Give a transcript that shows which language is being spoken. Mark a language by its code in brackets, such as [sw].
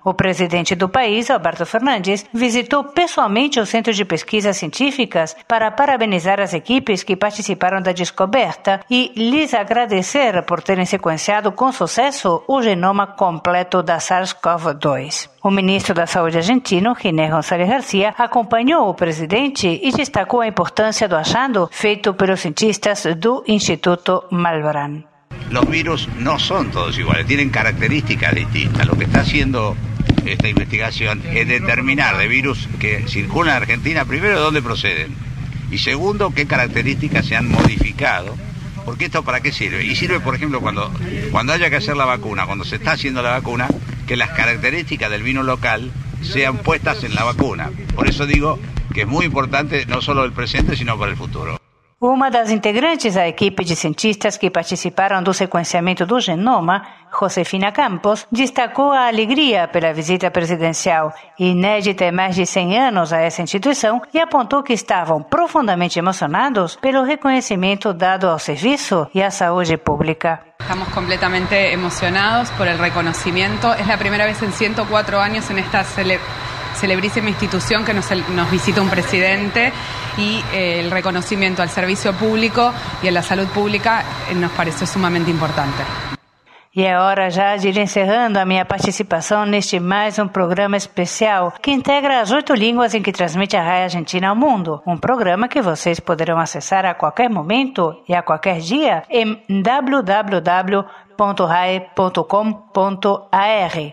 [pt] O presidente do país, Alberto Fernandes, visitou pessoalmente o Centro de Pesquisas Científicas para parabenizar as equipes que participaram da descoberta e lhes agradecer por terem sequenciado com sucesso o genoma completo da SARS-CoV-2. O ministro da Saúde argentino, Giné González García, acompanhou o presidente e destacou a importância do achado feito pelos cientistas do Instituto Malbrán. [es] Los virus no son todos iguales, tienen características distintas. Lo que está haciendo esta investigación es determinar de virus que circulan en Argentina, primero, de dónde proceden, y segundo, qué características se han modificado. Porque esto, ¿para qué sirve? Y sirve, por ejemplo, cuando haya que hacer la vacuna, cuando se está haciendo la vacuna, que las características del vino local sean puestas en la vacuna. Por eso digo que es muy importante, no solo el presente, sino para el futuro. [pt] Uma das integrantes da equipe de cientistas que participaram do sequenciamento do genoma, Josefina Campos, destacou a alegria pela visita presidencial, inédita em mais de 100 anos a essa instituição, e apontou que estavam profundamente emocionados pelo reconhecimento dado ao serviço e à saúde pública. [es] Estamos completamente emocionados por el reconocimiento. Es la primera vez en 104 años en esta celebrísima institución que nos visita un presidente. Y el reconocimiento al servicio público y a la salud pública nos pareció sumamente importante. [pt] E é hora já de ir encerrando a minha participação neste mais um programa especial que integra as 8 línguas em que transmite a RAI Argentina ao mundo. Um programa que vocês poderão acessar a qualquer momento e a qualquer dia em www.rai.com.ar.